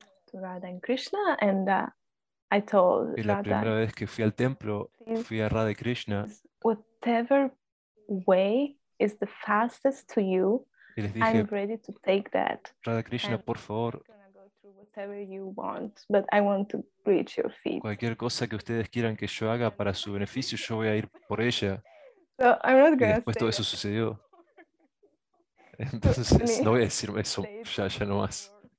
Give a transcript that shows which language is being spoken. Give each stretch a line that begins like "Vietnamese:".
English: To Radha and Krishna, and I told Radha.
Spanish: Y la primera vez que fui al templo, fui a Radha y Krishna.
English: Whatever way is the fastest to you, I'm ready to take that.
Spanish: Radha Krishna, por favor.
English: Whatever you want, but I want to reach your feet.
Spanish: Cualquier cosa que ustedes quieran que yo haga para su beneficio, yo voy a ir por ella.
English: So I'm not gonna
Spanish: y después todo eso sucedió. Entonces, no voy a decirme eso ya no más.